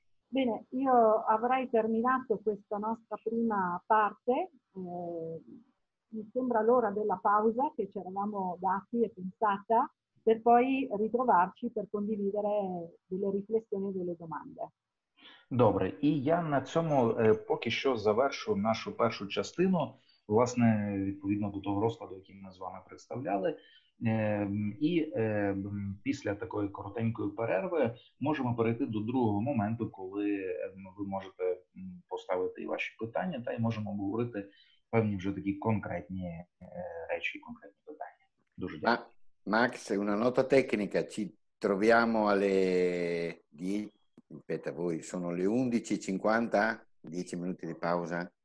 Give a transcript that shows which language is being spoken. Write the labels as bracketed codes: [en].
[it] Bene, io avrei terminato questa nostra prima parte. Mi sembra l'ora della pausa che ci eravamo dati e pensata, per poi ritrovarci per condividere delle riflessioni e delle domande. [uk] Добре, і я на цьому поки що завершу нашу першу частину, власне, відповідно до того розкладу, який ми з вами представляли. І після такої коротенької перерви можемо перейти до другого моменту, коли ви можете поставити і ваші питання, та й можемо обговорити певні вже такі конкретні речі, конкретні питання. Дуже дякую. [it] Max, una nota tecnica, ci troviamo alle 10, aspetta voi, sono le 11.50, 10 minuti di pausa.